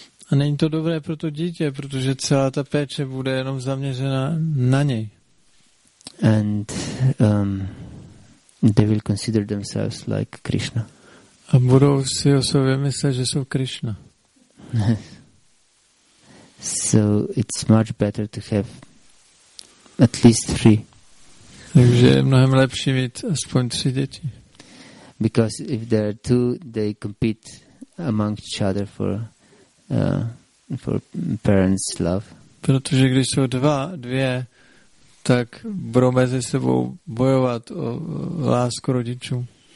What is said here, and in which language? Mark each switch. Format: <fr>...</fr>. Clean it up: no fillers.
<cs>A není to dobré pro to dítě, protože celá ta péče bude jenom zaměřena na něj.</cs> <en>And they will consider themselves like Krishna.</en> <cs>A budou si o sobě myslet, že jsou Krishna.</cs> <en>So it's much better to have at least three.</en> <cs>Takže je mnohem lepší mít aspoň tři děti.</cs> <en>Because if there are two, they compete among each other for parents' love.</en> <cs>Protože když jsou dvě, tak budou mezi sebou bojovat o lásku rodičů.</cs>